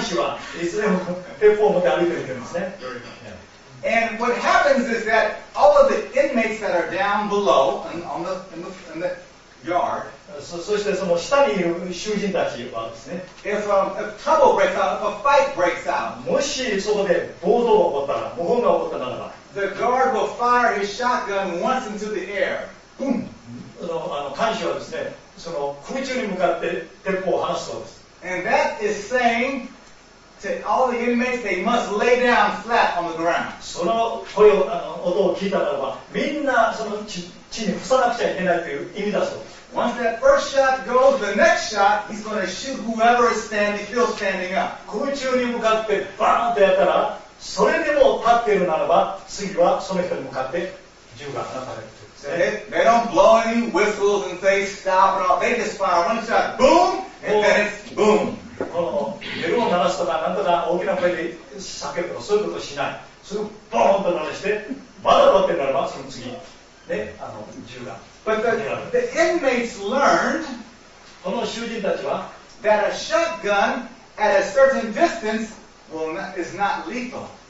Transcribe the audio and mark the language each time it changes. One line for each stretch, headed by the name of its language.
Japanese: 監守はいつでも鉄砲を持って歩いてるんですね。
English: And what happens is that all of the inmates that are down below in the yard,
Japanese: そしてその下にいる囚人たちはですね、
English: if trouble breaks out, if a fight breaks out,
Japanese: もしそこで暴動が起こったら、暴動が起こったならば、
English: the guard will fire his shotgun once into the air. Boom!
Japanese: あの監視はですね、その空中に向かって鉄砲を放つそうです。
English: And that is saying to all the inmates, they must lay down flat on the ground.
Japanese: その声を、音を聞いたならば、みんなその地に伏さなくちゃいけないという意味だそうです。
English: Once that first shot goes, the next shot, he's going to shoot whoever is standing, still standing up.
Japanese: 空中に向かってバーンとやったら、それでも立っているならば、次はその人に向かって銃が放たれる。
English: They don't blow any whistles and say stop and all. They just fire one shot, boom, and then it's boom.
Japanese: このベルを鳴らすとか、なんとか大きな声で叫ぶとか、そういうことしない。すぐボーンと鳴らして、まだ立っているならば、その次、ね、銃が。
English: But the inmates learned,
Japanese: この囚人たちは、
English: that a shotgun at a certain distance will not, is not lethal.